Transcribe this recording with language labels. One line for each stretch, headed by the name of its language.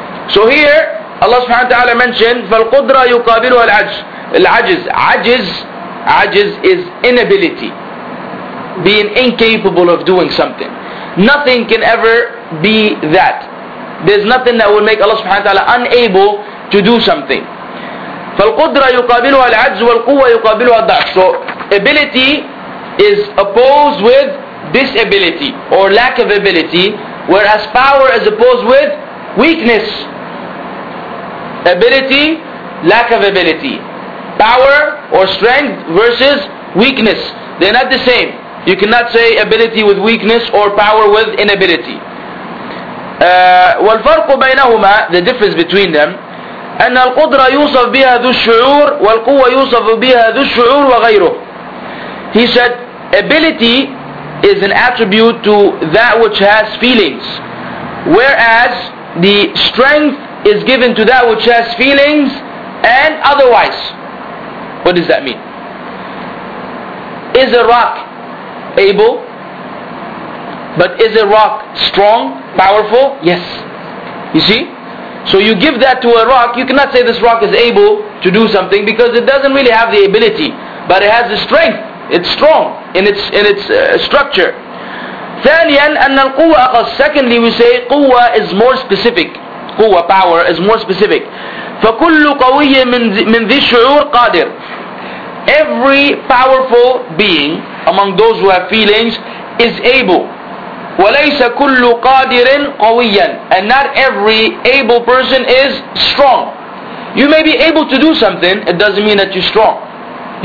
English: So here, Allah subhanahu wa ta'ala mentioned,
Arabic: فَالْقُدْرَ يُقَابِلُهَا الْعَجِزِ
English: Ajiz is inability. Being incapable of doing something. Nothing can ever be that. There's nothing that will make Allah subhanahu wa ta'ala unable to do something.
Arabic: فالقدرة يقابلها العجز والقوة يقابلها الضعف.
English: So ability is opposed with disability or lack of ability, whereas power is opposed with weakness. Ability, lack of ability. Power or strength versus weakness. They're not the same. You cannot say ability with weakness or power with inability.
Arabic: والفرق بينهما,
English: the difference between them,
Arabic: أن القدرة يوصف بها ذو الشعور والقوة يوصف بها ذو الشعور وغيره.
English: He said, ability is an attribute to that which has feelings, whereas the strength is given to that which has feelings and otherwise. What does that mean? Is a rock able? But is a rock strong, powerful? Yes. You see? So you give that to a rock, you cannot say this rock is able to do something because it doesn't really have the ability, but it has the strength. It's strong in its structure.
Arabic: ثانياً أن القوة أقص.
English: Secondly, we say قوة is more specific. قوة, power, is more specific.
Arabic: فكل قوي من ذي الشعور قادر.
English: Every powerful being among those who have feelings is able.
Arabic: وليس كل قادر قويا.
English: And not every able person is strong. You may be able to do something, it doesn't mean that you're strong.